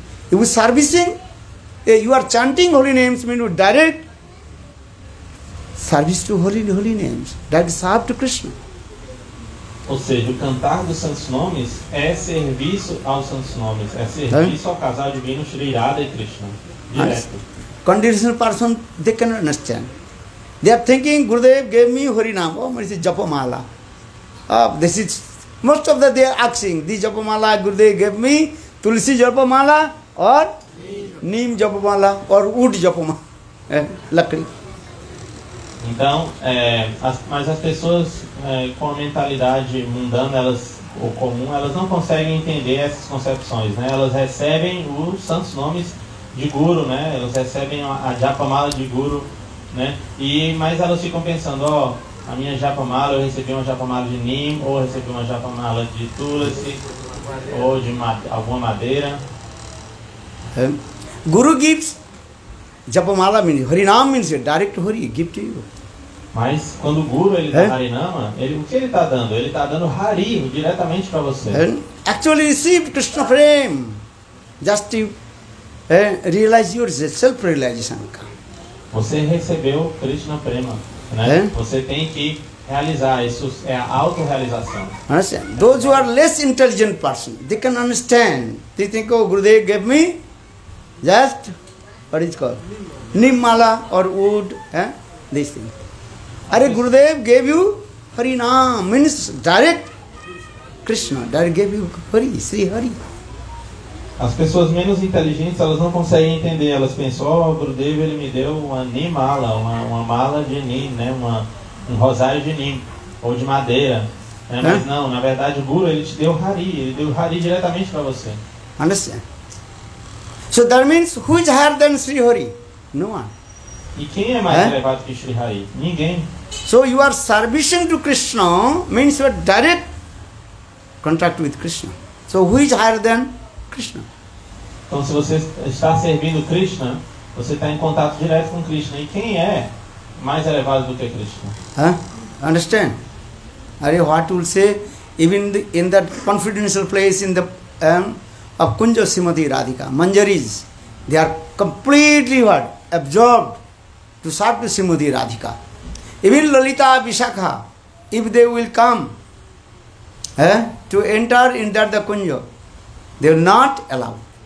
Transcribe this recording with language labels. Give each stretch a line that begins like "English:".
English: You are servicing, you are chanting holy names, mean you direct service to holy names, that is serve to Krishna.
Portuguese: Ou seja, o cantar dos santos nomes é serviço aos santos nomes, é serviço ao casal divino Sri Radha e Krishna. Direto.
English: Conditional person, they cannot understand. They are thinking, Gurudev gave me Harinam. Oh, this is Japamala. This is, most of the they are asking, this Japamala Gurudev gave me, Tulsi Japamala, or Neem Japamala, or Wood Japamala, Lakri.
Portuguese: Então, as pessoas com a mentalidade mundana, elas, ou comum, elas não conseguem entender essas concepções, né? Elas recebem os santos nomes de guru, né? Elas recebem a japamala de guru, né? E, mas elas ficam pensando, ó, a minha japamala, eu recebi uma japamala de Nim, ou recebi uma japamala de Tulsi, ou de alguma madeira.
English: Guru gives japamala, means Harinam, means direct Hari, give to you.
Portuguese: Mas quando o guru ele dá Harinama, ele, o que ele está dando? Ele está dando Hari diretamente para você.
English: Actually receive Krishna frame. Just you. Realize yourself, self-realization.
Portuguese: Você recebeu Krishna Prema, né? Você tem que realizar, isso é a auto-realização.
English: Understand? Those who are less intelligent person, they can understand. They think, oh, Gurudev gave me just, what is it called? Nimala or wood, this thing. Are Gurudev gave you Harinam, means direct Krishna, direct gave you Hari, Sri Hari.
Portuguese: As pessoas menos inteligentes, elas não conseguem entender. Elas pensam, oh, Gurudev, ele me deu uma Nimala, uma mala de Nim, né? Um rosário de Nim, ou de madeira. Né? Mas não, na verdade, o Guru, ele te deu Hari. Ele deu Hari diretamente para você. Understand?
English: So that means, who is higher than Sri Hari? No one.
Portuguese: E quem é mais elevado que Sri Hari? Ninguém.
English: So you are servicing to Krishna, means you are direct contact with Krishna. So who is higher than Krishna?
Portuguese: Então, se você está servindo Krishna, você está em contato direto com Krishna. E quem é mais elevado do que Krishna?
English: Understand? Are you what will say? Even the, in that confidential place, in the of Kunja Simati Radhika, Manjaris, they are completely what? Absorbed to serve to Simati Radhika. Even Lalita Vishakha, if they will come to enter in that the Kunja, they are not allowed.